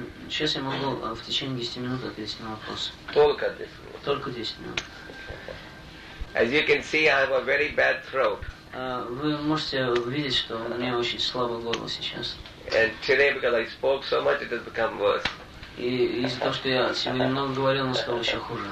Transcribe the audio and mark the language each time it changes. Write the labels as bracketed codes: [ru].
[ru] Сейчас я могу в течение 10 минут ответить на вопрос. Только 10 минут. Только 10 минут. [en] As you can see, I have a very bad throat. [ru] Вы можете увидеть, что у меня очень слабый горло сейчас. [en] And today, because I spoke so much, it has become worse. [ru] И из-за того, что я сегодня много говорил, оно стало еще хуже.